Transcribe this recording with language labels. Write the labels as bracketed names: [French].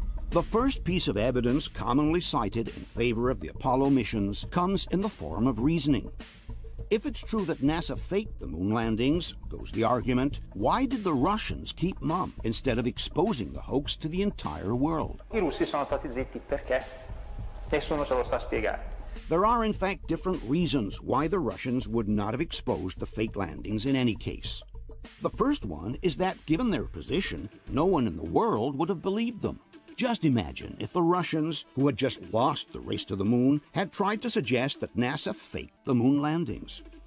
[English] The first piece of evidence commonly cited in favor of the Apollo missions comes in the form of reasoning. If it's true that NASA faked the moon landings, goes the argument, why did the Russians keep mum instead of exposing the hoax to the entire world? [Italian] I Russi sono stati zitti perché nessuno se lo sa spiegare. [English] There are in fact different reasons why the Russians would not have exposed the fake landings in any case. The first one is that given their position, no one in the world would have believed them. Just imagine if the Russians, who had just lost the race to the moon, had tried to suggest that NASA faked the moon landings.